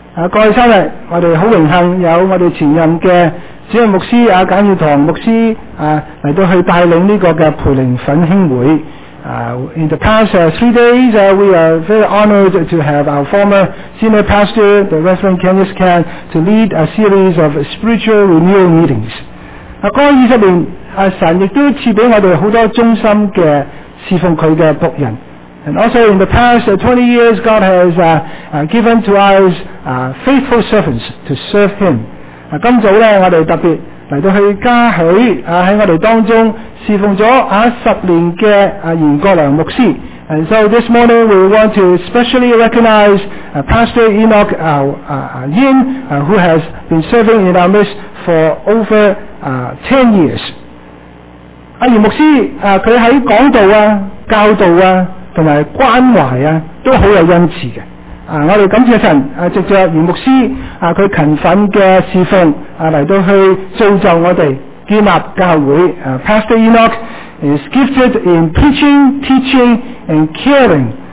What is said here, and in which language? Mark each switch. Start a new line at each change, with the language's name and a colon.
Cantonese: 过去三日，我哋好荣幸有我哋前任嘅主任牧师简耀堂牧师嚟到去带领呢个嘅培灵粉兴会。
English: In the past three days, we are very honored to have our former senior pastor, the Reverend Kenneth Can, to lead a series of spiritual renewal meetings。
Cantonese: 过去二十年。神亦都赐俾我哋好多忠心嘅侍奉佢嘅仆人。
English: And also in the past 20 years, God has given to us faithful servants to serve Him.
Cantonese: 今早咧，我哋特别嚟到去嘉许喺我哋当中侍奉咗十年嘅严国良牧师。
English: And so this morning we want to specially recognize Pastor Enoch Yin, who has been serving in our midst for over 10 years.
Cantonese: 而牧师他在讲道教导同埋关怀都好有恩赐的。我们感谢神藉着袁牧师他勤奋的侍奉来到去造就我们建立教会。
English: Pastor Enoch is gifted in preaching, teaching, and caring.